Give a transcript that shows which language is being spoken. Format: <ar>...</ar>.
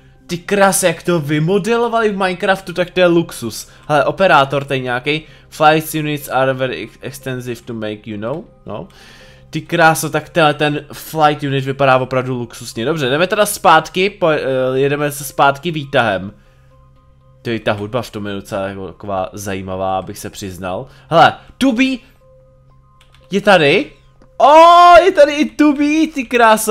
<cs>Ty krásy, jak to vymodelovali v Minecraftu, tak to je luxus. Hele, operátor ten nějaký.</cs> <en>Flight units are very extensive to make, you know.</en> <cs>No. Ty krásy, tak ten flight unit vypadá opravdu luxusně. Dobře, jdeme teda zpátky, jedeme se zpátky výtahem. To je ta hudba v tom je docela taková zajímavá, abych se přiznal. Hele, 2B je tady. Je tady i 2B, ty krásy.</cs>